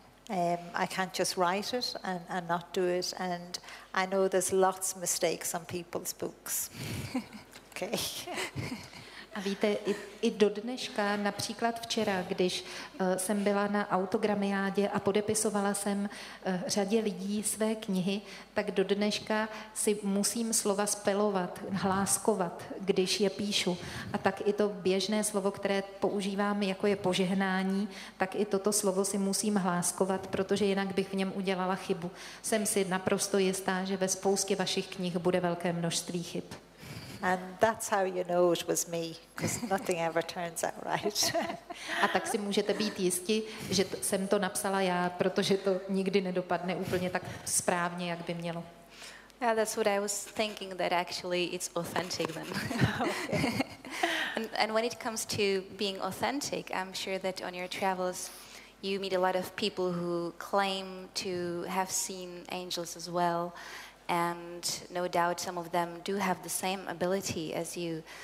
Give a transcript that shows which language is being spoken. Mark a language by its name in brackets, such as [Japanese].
[English] I can't just write it and not do it. And I know there's lots of mistakes on people's books. Okay. [Czech] A víte, i do dneška, například včera, když jsem byla na autogramiádě a podepisovala jsem řadě lidí své knihy, tak do dneška si musím slova spelovat, hláskovat, když je píšu. A tak i to běžné slovo, které používám, jako je požehnání, tak i toto slovo si musím hláskovat, protože jinak bych v něm udělala chybu. Jsem si naprosto jistá, že ve spoustě vašich knih bude velké množství chyb. [English] And that's how you know it was me, because nothing ever turns out right. [Czech] A tak si můžete být jistí, že jsem to napsala já, protože to nikdy nedopadne úplně tak správně, jak by mělo. [English] Yeah, that's what I was thinking, that actually it's authentic then. And when it comes to being authentic, I'm sure that on your travels you meet a lot of people who claim to have seen angels as well. And no doubt some of them do have the same ability as you.